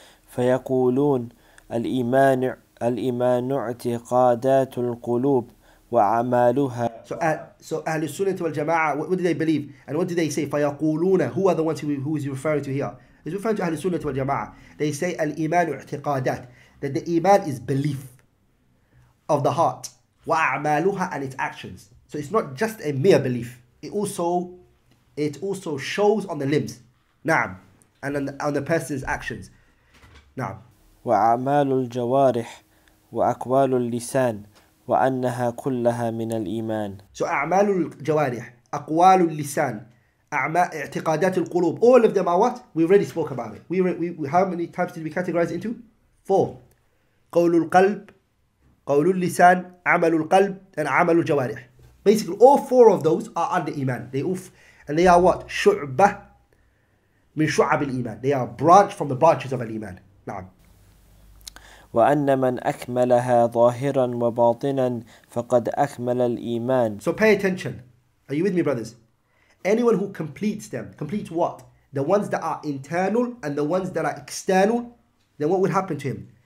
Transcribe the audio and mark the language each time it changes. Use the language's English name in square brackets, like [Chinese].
[Arabic] فيقولون الإيمان اعتقادات القلوب وأعمالها. [English] So Ahl al-Sunnah wal-Jama'ah, what do they believe? And what do they say? فَيَقُولُونَ. Who are the ones who is referring to here? He's referring to Ahl al-Sunnah wal-Jama'ah. They say [Arabic] al-Imanu i'tiqadat, [English] that the Iman is belief of the heart. وَأَعْمَالُهَا, and its actions. So it's not just a mere belief. It also shows on the limbs. نعم. And on the person's actions. نعم. [Arabic] وَأَعْمَالُ الْجَوَارِحِ وَأَكْوَالُ اللِّسَانِ وأنها كلها من الإيمان. So أعمال الجوارح, أقوال اللسان, أعمال اعتقادات القلوب. [English] All of them are what? We already spoke about it. We how many types did we categorize into? Four. [Arabic] قول القلب, قول اللسان, عمل القلب, and عمل الجوارح. [English] Basically, all four of those are under iman. They are what? [Arabic] شعبة من شعب الإيمان. [English] They are branch from the branches of الإيمان. [Arabic] نعم. وأن من أكملها ظاهرا وباطنا فقد أكمل الإيمان. [English] So pay attention. Are you with me, brothers? Anyone who completes them, completes what? The ones that are internal and the ones that are external, then what will happen to him?